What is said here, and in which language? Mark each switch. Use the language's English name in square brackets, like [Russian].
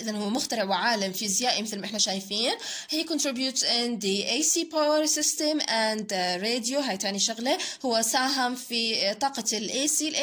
[Arabic] إذا هو مخترع وعالم فيزيائي مثل ما احنا شايفين. [English] He contributes in the AC power system and radio. [Arabic] هاي تاني شغلة، هو ساهم في طاقة الـ AC.